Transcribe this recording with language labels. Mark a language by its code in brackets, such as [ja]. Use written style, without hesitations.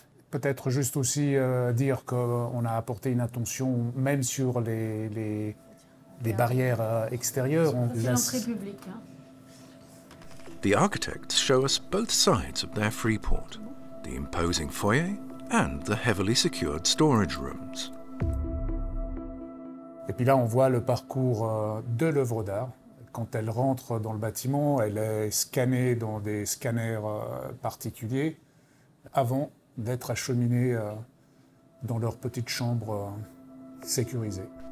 [fr] Peut-être juste aussi dire qu'on a apporté une attention même sur les barrières extérieures. C'est l'entrée publique. Hein. [en] The architects show us both sides of their freeport, the imposing foyer and the heavily secured storage rooms. [fr] Et puis là, on voit le parcours de l'œuvre d'art. Quand elle rentre dans le bâtiment, elle est scannée dans des scanners particuliers avant d'être acheminés dans leur petite chambre sécurisée.